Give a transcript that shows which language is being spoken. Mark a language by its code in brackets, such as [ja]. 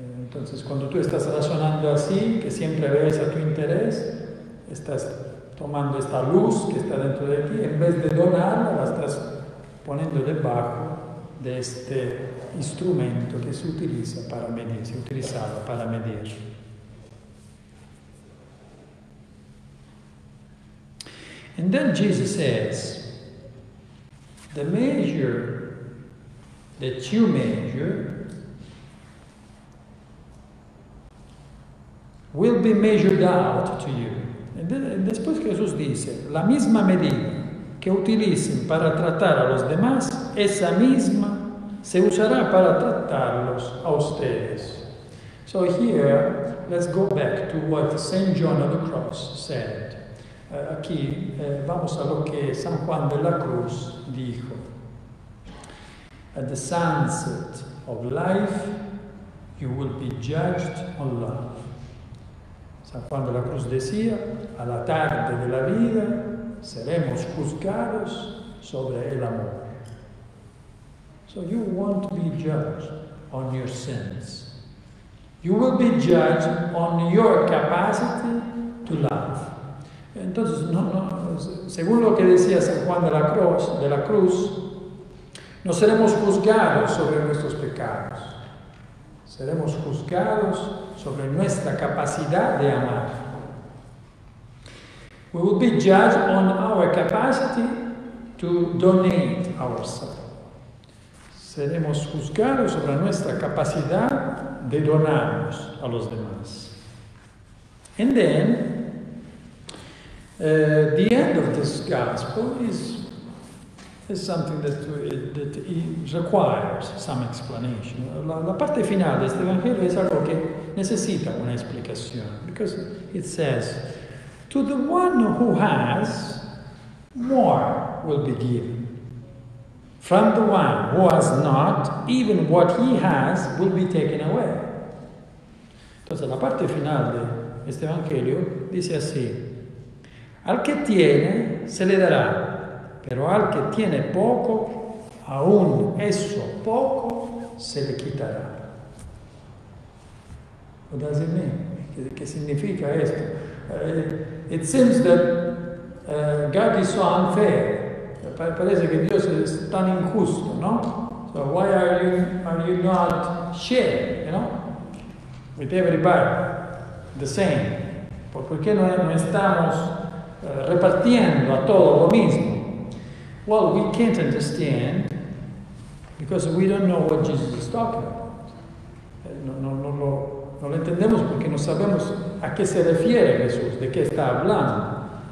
[es] Entonces, cuando tú estás razonando así, que siempre ves a tu interés, estás tomando esta luz que está dentro de ti, en vez de donarla, la estás poniendo debajo de este instrumento que se utiliza para medir, se utilizaba para medir. [en] And then Jesus says, the measure that you measure will be measured out to you. [es] Después Jesús dice, la misma medida que utilicen para tratar a los demás, esa misma se usará para tratarlos a ustedes. [en] So here, let's go back to what St. John of the Cross said. [es] Aquí vamos a lo que San Juan de la Cruz dijo. [en] At the sunset of life, you will be judged on love. [es] San Juan de la Cruz decía, a la tarde de la vida seremos juzgados sobre el amor. [en] So you won't be judged on your sins. You will be judged on your capacity to love. [es] Entonces, no, según lo que decía San Juan de la Cruz, no seremos juzgados sobre nuestros pecados. Seremos juzgados sobre nuestra capacidad de amar. [en] We will be judged on our capacity to donate ourselves. [es] seremos juzgados sobre nuestra capacidad de donarnos a los demás. [en] And then, the end of this gospel is something that requires some explanation. [es] La parte finale de este evangelio es algo que necesita una explicación, [en] because it says, to the one who has, more will be given. From the one who has not, even what he has will be taken away. [es] Entonces, la parte finale de este evangelio dice así: al que tiene, se le dará, pero al que tiene poco, aún eso poco se le quitará. [en] What does it mean? [es] ¿Qué significa esto? [en] It seems that God is so unfair. [es] Parece que Dios es tan injusto, ¿no? [en] So why are you not sharing, you know, with everybody the same? [es] ¿Por qué no estamos repartiendo a todos lo mismo? [en] Well, we can't understand because we don't know what Jesus is talking about. [es] No lo entendemos porque no sabemos a qué se refiere Jesús, de qué está hablando.